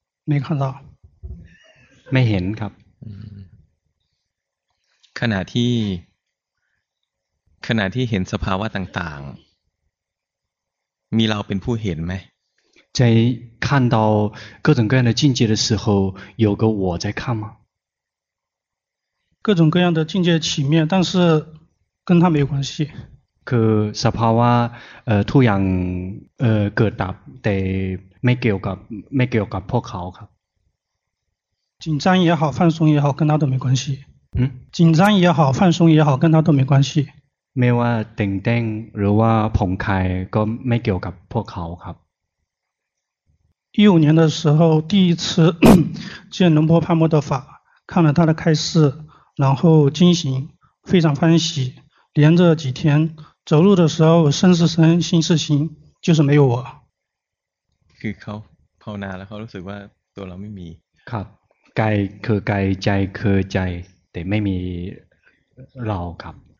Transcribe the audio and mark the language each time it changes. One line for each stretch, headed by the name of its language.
Chinese: 没看到
Thai: ไม่เห็นครับ ขณะที่เห็นสภาวะต่างๆมีเราเป็นผู้เห็นไหม
Chinese: 在看到各种各样的境界的时候有个我在看吗各种各样的境界起灭但是跟他没有关系
Thai: คือสภาวะทุกอย่างเกิดดับแต่ไม่เกี่ยวกับพวกเขาครับ
Chinese: 紧张也好放松也好跟他都没关系嗯紧张也好放松也好跟他都没关系
Thai: ไม่ว่าตึงเต้งหรือว่าผ่องคลายก็ไม่เกี่ยวกับพวกเขาครับ
Chinese: 15年的时候第一次见龙波帕默的法看了他的开示然后惊醒非常欢喜连着几天走路的时候身是身心是心就是没有我
Thai: คือเขาภาวนาแล้วเขารู้สึกว่าตัวเราไม่มี ครับกายคือกายใจคือใจแต่ไม่มีเราครับ